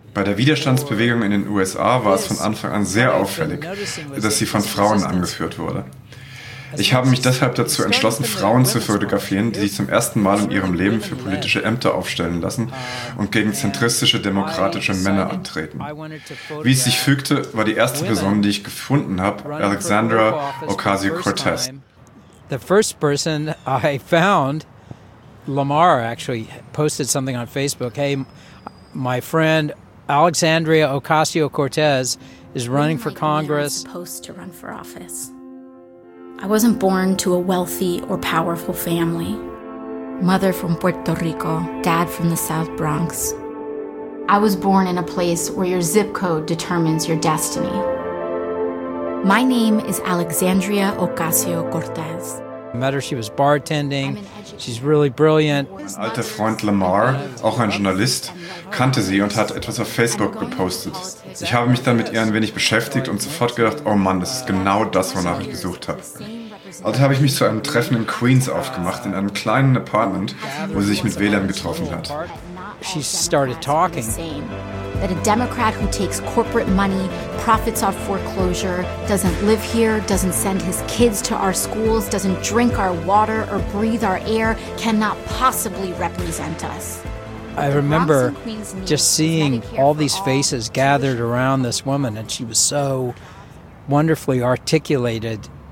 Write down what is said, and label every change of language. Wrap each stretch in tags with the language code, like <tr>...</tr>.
<de>Bei der Widerstandsbewegung in den USA war es von Anfang an sehr auffällig, dass sie von Frauen angeführt wurde. Ich habe mich deshalb dazu entschlossen, Frauen zu fotografieren, die sich zum ersten Mal in ihrem Leben für politische Ämter aufstellen lassen und gegen zentristische demokratische Männer antreten. Wie es sich fügte, war die erste Person, die ich gefunden habe, Alexandria Ocasio-Cortez.</de> <en>The first person I found, Lamar actually posted something on Facebook, hey, my friend Alexandria Ocasio-Cortez is running for Congress. I was supposed to run for office. I wasn't born to a wealthy or powerful family. Mother from Puerto Rico, dad from the South Bronx. I was born in a place where your zip code determines your destiny. My name is Alexandria Ocasio-Cortez. Met her, she was bartending. She's really brilliant.</en> <de>Mein alter Freund Lamar, auch ein Journalist, kannte sie und hat etwas auf Facebook gepostet. Ich habe mich dann mit ihr ein wenig beschäftigt und sofort gedacht, oh Mann, das ist genau das, wonach ich gesucht habe. Also habe ich mich zu einem Treffen in Queens aufgemacht, in einem kleinen Apartment, wo sie sich mit WLAN getroffen hat.</de> <en>She started talking. That a Democrat who takes corporate money, profits off foreclosure, doesn't live here, doesn't send his kids to our schools, doesn't drink our water or breathe our air, cannot possibly represent us. I remember just seeing all these faces gathered around this woman, and she was so wonderfully articulated.</en>